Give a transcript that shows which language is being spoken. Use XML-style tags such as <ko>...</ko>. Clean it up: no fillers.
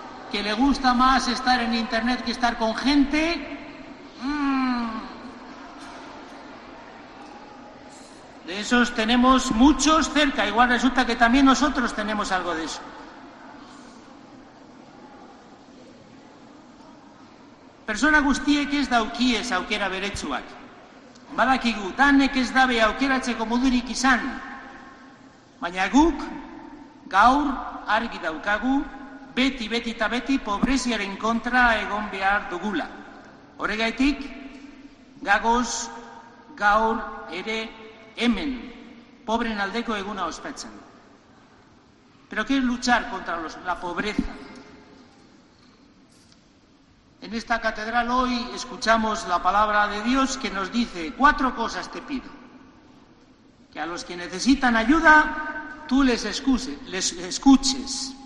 <es>Que le gusta más estar en internet que estar con gente. De esos tenemos muchos cerca, igual resulta que también nosotros tenemos algo de eso.</es> <eu>Persona guztiek ez daukiez aukera beretsuak. Badakigu, danek ez dabe aukeratzeko modurik izan. Baina guk, gaur, argi daukagu, beti eta beti pobreziaren kontra egon behar dugula. Horregaitik, gagoz, gaur, ere, hemen, pobren aldeko eguna ospatzen.</eu> <es>Pero que es luchar contra la pobreza. En esta catedral hoy escuchamos la palabra de Dios que nos dice, cuatro cosas te pido. Que a los que necesitan ayuda, tú les escuches.</es>